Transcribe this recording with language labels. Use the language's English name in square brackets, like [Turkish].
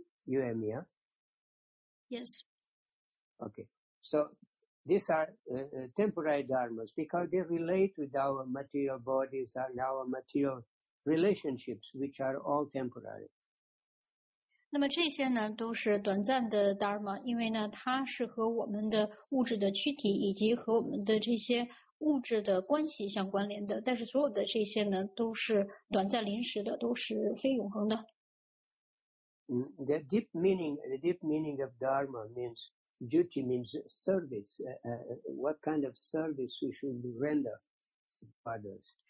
[English] You and me, huh? Yes. Okay. So, these are temporary dharmas because they relate with our material bodies and our material relationships, which are all temporary. [Chinese] 那么这些呢都是短暂的 dharma, 因为呢它是和我们的物质的躯体以及和我们的这些物质的关系相关联的，但是所有的这些呢都是短暂临时的，都是非永恒的。 [English] The deep meaning of dharma means duty, means service. What kind of service we should render to others?